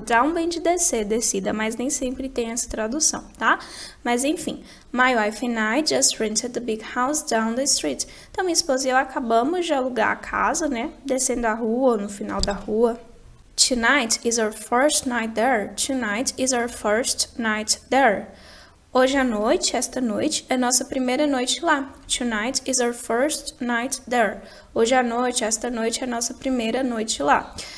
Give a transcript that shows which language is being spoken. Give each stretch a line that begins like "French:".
Portuguese: Down vem de descer, descida, mas nem sempre tem essa tradução, tá? Mas enfim.
English: My wife and I just rented the big house down the street.
Portuguese: Então, minha esposa e eu acabamos de alugar a casa, né? Descendo a rua, no final da rua.
English: Tonight is our first night there. Tonight is our first night there.
Portuguese: Hoje à noite, esta noite, é nossa primeira noite lá.
English: Tonight is our first night there.
Portuguese: Hoje à noite, esta noite, é nossa primeira noite lá.